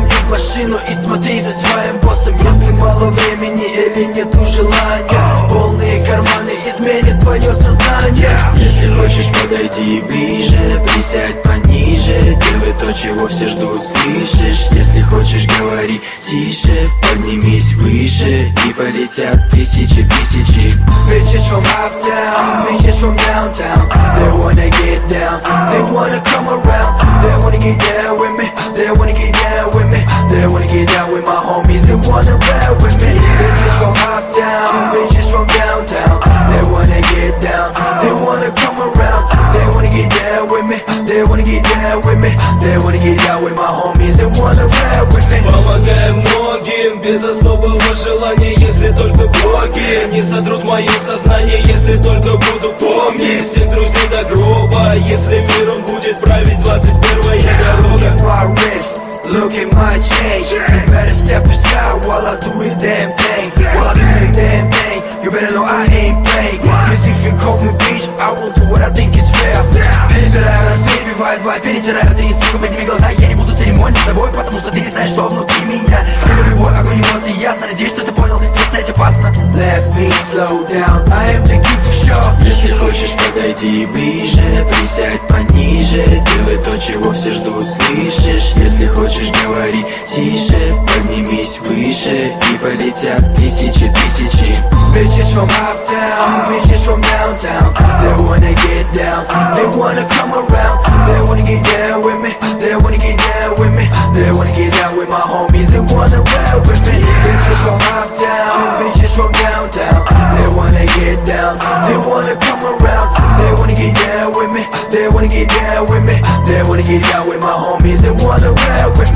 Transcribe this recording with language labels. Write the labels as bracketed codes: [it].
[ru] Машину и смотри за своим боссом. Если мало времени или нету желания, полные карманы изменят твое сознание. Если хочешь, подойди ближе, присядь пониже, делай то, чего все ждут, слышишь? Если хочешь, говори тише, поднимись выше, и полетят тысячи, тысячи. [en] Bitches from uptown, bitches from downtown. They wanna get down, they wanna come around. They wanna get down with me, they wanna get down with me. They wanna get down with my homies, they wanna ride with me. Bitches from uptown, bitches from downtown. They wanna get down, they wanna come around. They wanna get down with me, they wanna get down with me. They wanna get down with my homies, they wanna ride with me. [ru] Помогаем многим без особого желания. Если только боги не сотрут мое сознание. Если только буду помнить всем друзей до гроба. Если миром будет править 21-я дорога. [en] Look at my chain. You better step aside while I do it damn thing. While I do it damn thing, you better know I ain't playing. Cause if you call me bitch, I will do what I think is fair. [ru] Перебираю раз, перебиваю два, перетираю три. Сука, подними глаза, я не буду церемониться с тобой. Потому что ты не знаешь, что внутри меня. Ты на любой огонь эмоций, ясно, надеюсь, что ты понял. Здесь стоять опасно. [en] Let me slow down, I am the king for sure. [ru] Если хочешь, подойди ближе, присядь пониже. Делай то, чего все ждут, слышишь? Если хочешь, говори тише, поднимись выше. И полетят тысячи, тысячи. [en] Bitches from uptown, bitches from downtown. They wanna get down, they wanna come around. They wanna get down with me, they wanna get down with me. They wanna get down with my homies, they wanna ride with me. Bitches from uptown, bitches from downtown. They wanna get down, they wanna come around. They wanna get down with me, they wanna get down with me. They wanna get down with my homies, they wanna ride with me.